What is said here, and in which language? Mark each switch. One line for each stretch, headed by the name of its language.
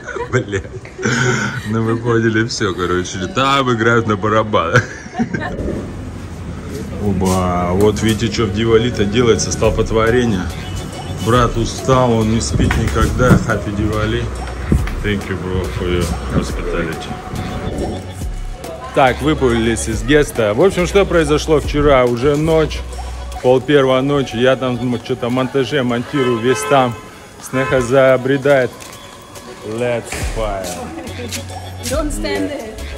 Russian: Блин, ну мы поняли все, короче, там играют на барабанах. Оба, вот видите, что в Дивали-то делается, столпотворение. Брат устал, он не спит никогда.
English: Happy Diwali. Thank you, bro, for your hospitality.
Russian: Так, выпулились из геста. В общем, что произошло вчера? Уже ночь. 00:30 ночи, я там что-то монтаже монтирую, весь там. Снеха забредает.
English: Let's fire. Don't stand there.